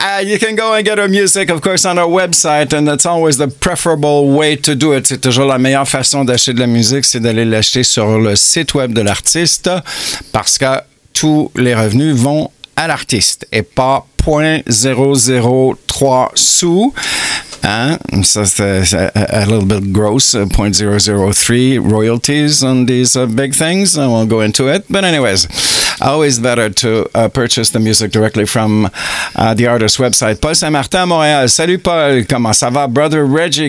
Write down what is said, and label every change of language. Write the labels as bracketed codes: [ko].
[en] You can go and get her music, of course, on our website, and that's always the preferable way to do it. [fr] C'est toujours la meilleure façon d'acheter de la musique, c'est d'aller l'acheter sur le site web de l'artiste, parce que tous les revenus vont à l'artiste et pas 0.003 sous. Hein? [en] So it's a little bit gross, 0.003 royalties on these big things. I won't go into it. But anyways, always better to purchase the music directly from the artist's website. [fr] Paul Saint-Martin, Montréal. Salut, Paul. Comment ça va, brother Reggie?